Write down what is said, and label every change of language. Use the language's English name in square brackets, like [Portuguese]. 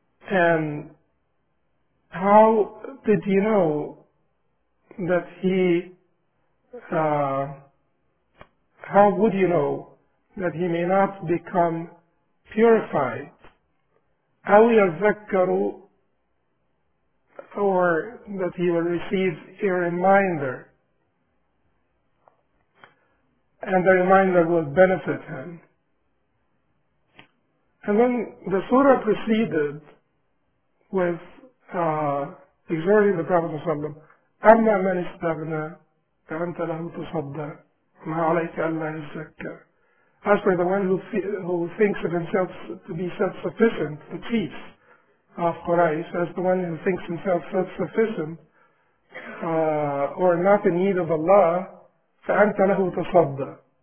[English] And how did you know that he, how would you know that he may not become purified? [Arabic] أَوْ يَذَّكَّرُ, [English] or that he will receive a reminder, and the reminder will benefit him. And then the surah proceeded with exhorting the Prophet ﷺ, [Arabic] أَمَّا مَنِ اسْتَغْنَى فَأَنْتَ لَهُ تُصَدَّى مَا عَلَيْكَ أَلَّا يَزَّكَّى. [English] As for the one who thinks of himself to be self-sufficient, the chiefs of Quraysh, as the one who thinks himself self-sufficient, or not in need of Allah, [Arabic] فَأَنْتَ لَهُ تُصَدَّى.